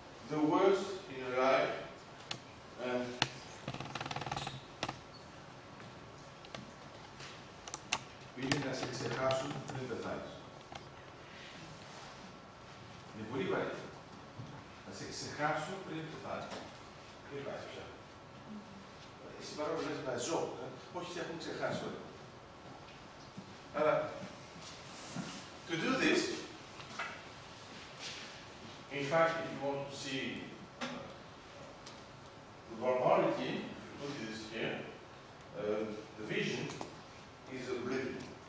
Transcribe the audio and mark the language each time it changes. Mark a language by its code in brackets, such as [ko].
[en] the worst in your life and [el] είναι να σε ξεχάσουν πριν πεθάνεις. Είναι πολύ βαρύ. Να σε ξεχάσουν πριν πεθάνεις. Δεν υπάρχει πια. Εσύ παρόλο που λες να ζω, όχι σε έχουν ξεχάσει όλοι. Αλλά, [en] to do this, in fact, if you want to see the barbarity, if you look at this here, the vision is oblivion.